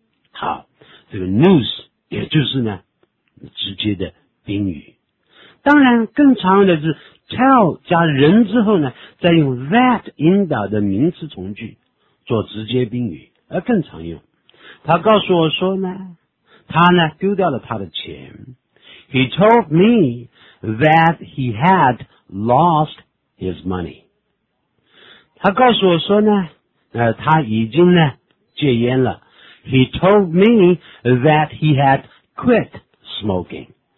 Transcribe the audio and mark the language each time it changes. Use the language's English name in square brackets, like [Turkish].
[Chinese] 好，这个 news, 也就是呢直接的宾语。当然更常用的是 tell 加人之后呢，再用 that 引导的名词从句做直接宾语。而更常用，他告诉我说呢，他呢丢掉了他的钱。 [English] He told me that he had lost his money. [Chinese] 他告诉我说呢，他已经呢戒烟了。 [English] He told me that he had quit smoking.